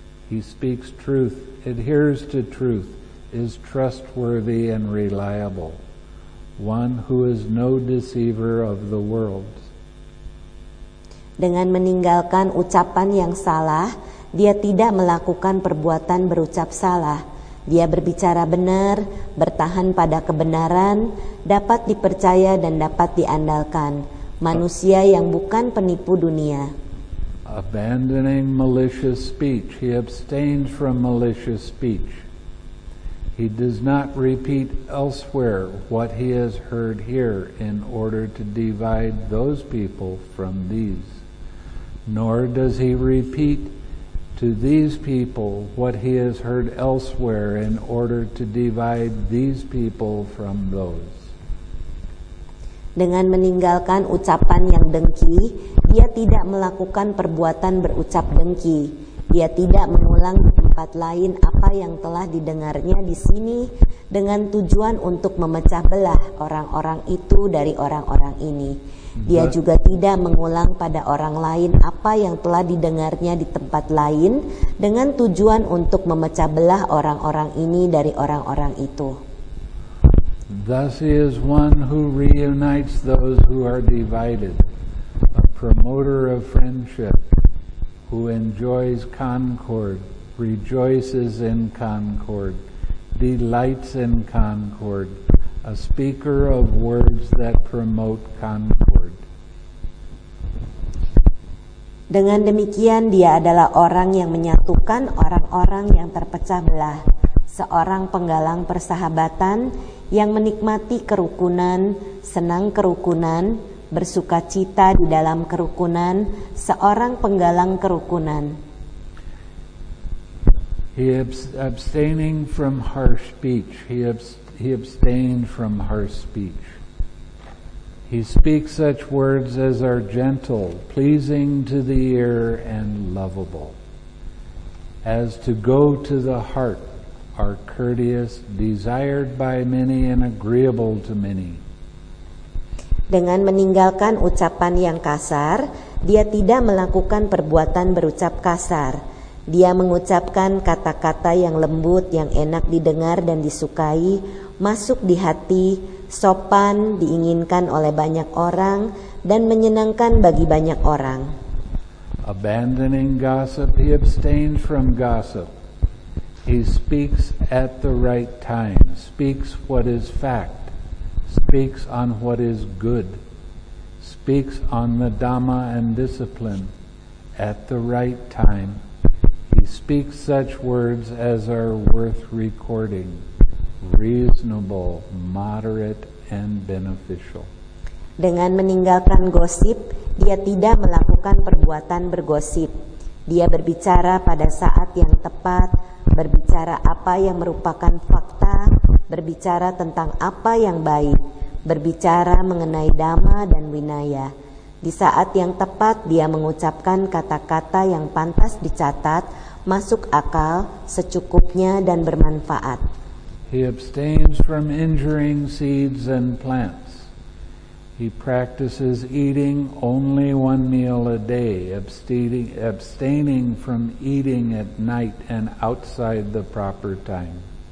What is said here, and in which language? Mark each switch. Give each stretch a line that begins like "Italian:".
English: He speaks truth, adheres to truth, is trustworthy and reliable, one who is no deceiver of the world.
Indonesian: Dengan meninggalkan ucapan yang salah, dia tidak melakukan perbuatan berucap salah. Dia berbicara benar, bertahan pada kebenaran, dapat dipercaya dan dapat diandalkan. Manusia yang bukan penipu dunia.
English: Abandoning malicious speech, he abstains from malicious speech. He does not repeat elsewhere what he has heard here in order to divide those people from these. Nor does he repeat to these people what he has heard elsewhere in order to divide these people from those.
Indonesian: Dengan meninggalkan ucapan yang dengki, dia tidak melakukan perbuatan berucap dengki. Dia tidak mengulang di tempat lain apa yang telah didengarnya di sini dengan tujuan untuk memecah belah orang-orang itu dari orang-orang ini. Dia juga tidak mengulang pada orang lain apa yang telah didengarnya di tempat lain dengan tujuan untuk memecah belah orang-orang ini dari orang-orang itu.
English: Thus he is one who reunites those who are divided, a promoter of friendship, who enjoys concord, rejoices in concord, delights in concord, a speaker of words that promote concord.
Indonesian: Dengan demikian, dia adalah orang yang menyatukan orang-orang yang terpecah belah, seorang penggalang persahabatan yang menikmati kerukunan, senang kerukunan, bersuka cita di dalam kerukunan, seorang penggalang kerukunan.
English: He abstaining from harsh speech. He abstained from harsh speech. He speaks such words as are gentle, pleasing to the ear, and lovable, as to go to the heart, are courteous, desired by many, and agreeable to many.
Indonesian: Dengan meninggalkan ucapan yang kasar, dia tidak melakukan perbuatan berucap kasar. Dia mengucapkan kata-kata yang lembut, yang enak didengar dan disukai, masuk di hati, sopan, diinginkan oleh banyak orang, dan menyenangkan bagi banyak orang.
English: Abandoning gossip, he abstains from gossip. He speaks at the right time, speaks what is fact. Speaks on what is good, speaks on the Dhamma and discipline at the right time. He speak such words as are worth recording, reasonable, moderate, and beneficial.
Indonesian: Dengan meninggalkan gosip, dia tidak melakukan perbuatan bergosip. Dia berbicara pada saat yang tepat, berbicara apa yang merupakan fakta, berbicara tentang apa yang baik, berbicara mengenai dhamma dan winaya. Di saat yang tepat, dia mengucapkan kata-kata yang pantas dicatat, masuk akal, secukupnya, dan bermanfaat.
English: He abstains from injuring seeds and plants. He practices eating only one meal a day, abstaining from eating at night and outside the proper time.